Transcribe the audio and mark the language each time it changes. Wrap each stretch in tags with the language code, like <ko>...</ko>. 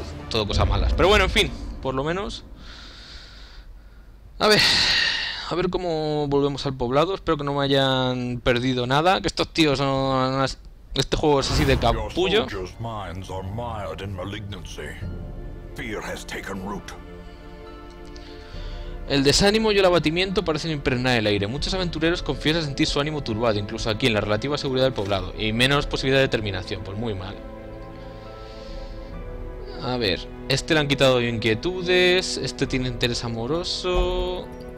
<es>Todo cosas malas. Pero bueno, en fin, por lo menos. A ver cómo volvemos al poblado. Espero que no me hayan perdido nada. Que estos tíos son. Este juego es así de capullo.</es> <en>Your minds are mired in malignancy. Fear has taken root.</en> <es>El desánimo y el abatimiento parecen impregnar el aire. Muchos aventureros confiesan sentir su ánimo turbado, incluso aquí, en la relativa seguridad del poblado. Y menos posibilidad de terminación, pues muy mal. A ver, este le han quitado inquietudes, este tiene interés amoroso.</es>